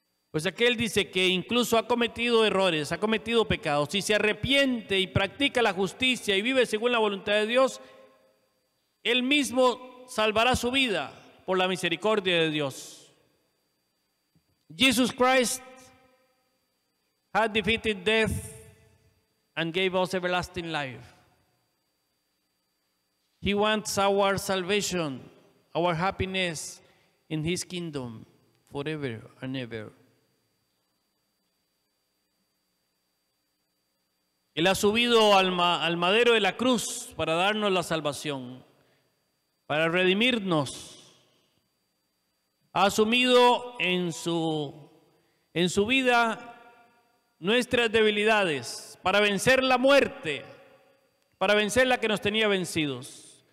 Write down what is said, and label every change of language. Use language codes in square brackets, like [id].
[es] Pues aquel dice que incluso ha cometido errores, ha cometido pecados, si se arrepiente y practica la justicia y vive según la voluntad de Dios, él mismo salvará su vida por la misericordia de Dios. [en] Jesus Christ had defeated death and gave us everlasting life. He wants our salvation, our happiness in his kingdom forever and ever. [es] Él ha subido al madero de la cruz para darnos la salvación, para redimirnos. Ha asumido en su vida nuestras debilidades para vencer la muerte, para vencer la que nos tenía vencidos.